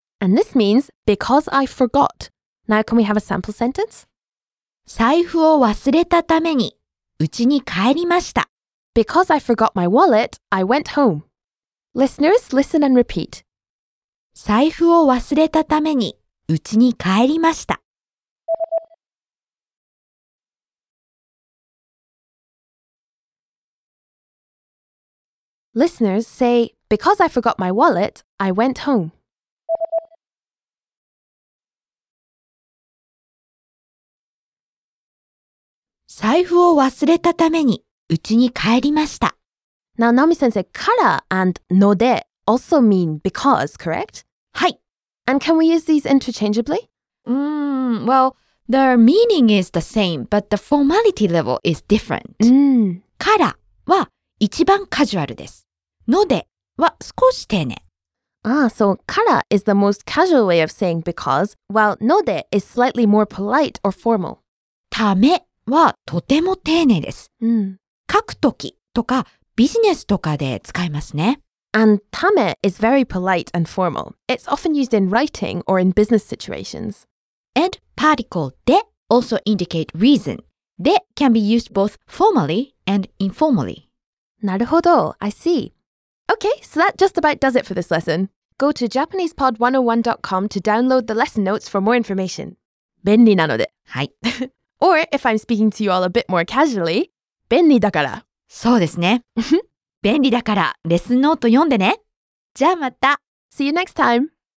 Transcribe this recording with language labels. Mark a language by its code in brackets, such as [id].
[en] And this means, because I forgot. Now can we have a sample sentence? [ja] 財布を忘れたために、うちに帰りました。 [en] Because I forgot my wallet, I went home. Listeners, listen and repeat. [ja] 財布を忘れたために、うちに帰りました。 [en] Listeners say, because I forgot my wallet, I went home. [ja] 財布を忘れたために、うちに帰りました。 [en] Now, Naomi-sensei, から and ので also mean because, correct? [ja] はい。 [en] And can we use these interchangeably? Well, the meaning is the same, but the formality level is different. [ja] からは一番カジュアルです。のでは少し丁寧。 [en] So から is the most casual way of saying because, while ので is slightly more polite or formal. [ja] ためはとても丁寧です。書くときとかビジネスとかで使いますね。 [en] And ため is very polite and formal. It's often used in writing or in business situations. And particle で also indicate reason. で can be used both formally and informally. [ja] なるほど。 [en] I see. Okay, so that just about does it for this lesson. Go to JapanesePod101.com to download the lesson notes for more information. [ja] 便利なので。はい。 [en] Or if I'm speaking to you all a bit more casually, [ja] 便利だから。そうですね。便利だから、レッスンノート読んでね。じゃあまた。 [en] See you next time.